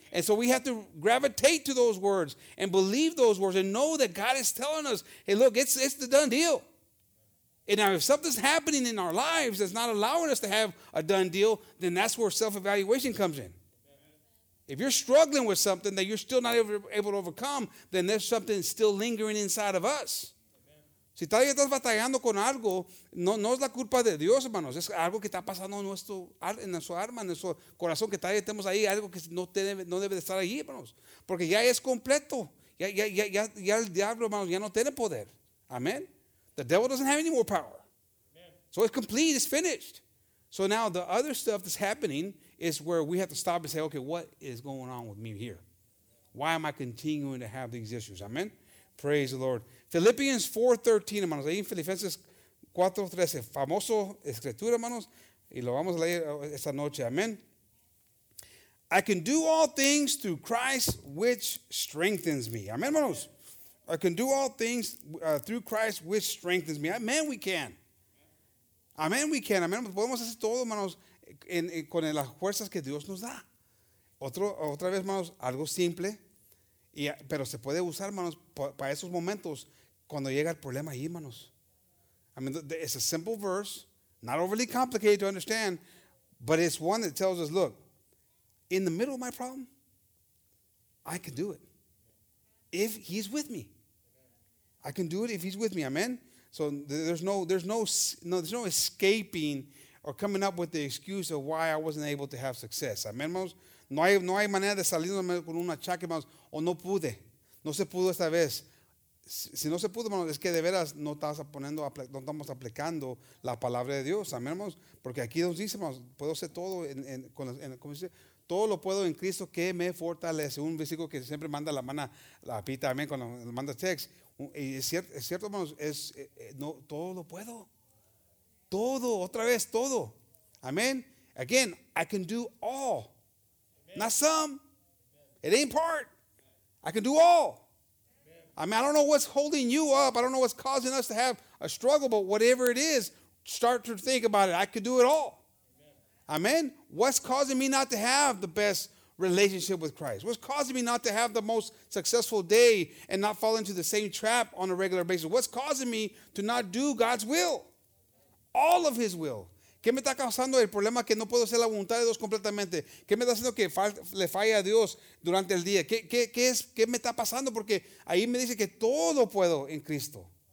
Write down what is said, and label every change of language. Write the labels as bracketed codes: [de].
[en] And so we have to gravitate to those words and believe those words and know that God is telling us, hey, look, it's the done deal. And now if something's happening in our lives that's not allowing us to have a done deal, then that's where self-evaluation comes in. If you're struggling with something that you're still not able to overcome, then there's something still lingering inside of us. [es] Si todavía estás batallando con algo, no es la culpa de Dios, hermanos. Es algo que está pasando en nuestro alma, en nuestro corazón, que todavía tenemos ahí algo que no debe de estar ahí, hermanos. Porque ya es completo. Ya el diablo, hermanos, ya no tiene poder. [en] Amen. The devil doesn't have any more power. Amen. So it's complete. It's finished. So now the other stuff that's happening is where we have to stop and say, okay, what is going on with me here? Why am I continuing to have these issues? Amen. Praise the Lord. Philippians 4:13, hermanos. [es] Ahí en Filipenses 4:13, famoso escritura, hermanos. Y lo vamos a leer esta noche. Amén. [en] I can do all things through Christ which strengthens me. Amén, hermanos. I can do all things through Christ which strengthens me. Amén, we can. Amén, we can. [es] Amén, podemos hacer todo, hermanos, con las fuerzas que Dios nos da. Otra vez, hermanos, algo simple. Pero se puede usar, hermanos, para esos momentos cuando llega el problema ahí, hermanos. [en] I mean, it's a simple verse, not overly complicated to understand, but it's one that tells us, look, in the middle of my problem, I can do it if he's with me. I can do it if he's with me, amen? So there's no escaping or coming up with the excuse of why I wasn't able to have success, amen, hermanos? [es] No hay manera de salirme con un achaque, hermanos. O no pude. No se pudo esta vez. Si no se pudo, hermanos, es que de veras no estás poniendo, no estamos aplicando la palabra de Dios. Amén, hermanos. Porque aquí nos dice, hermanos, puedo hacer todo en ¿cómo dice? Todo lo puedo en Cristo que me fortalece. Un versículo que siempre manda la mano, la pita, amén, cuando manda text. Y es cierto, hermanos, no, todo lo puedo. Todo, otra vez, todo. [en] Amén. Again, I can do all. Not some. It ain't part. I can do all. I mean, I don't know what's holding you up. I don't know what's causing us to have a struggle, but whatever it is, start to think about it. I could do it all. Amen. What's causing me not to have the best relationship with Christ? What's causing me not to have the most successful day and not fall into the same trap on a regular basis? What's causing me to not do God's will? All of His will. [es] ¿Qué me está causando el problema que no puedo hacer la voluntad de Dios completamente? ¿Qué me está haciendo que le falle a Dios durante el día? ¿Qué me está pasando? Porque ahí me dice que todo puedo en Cristo.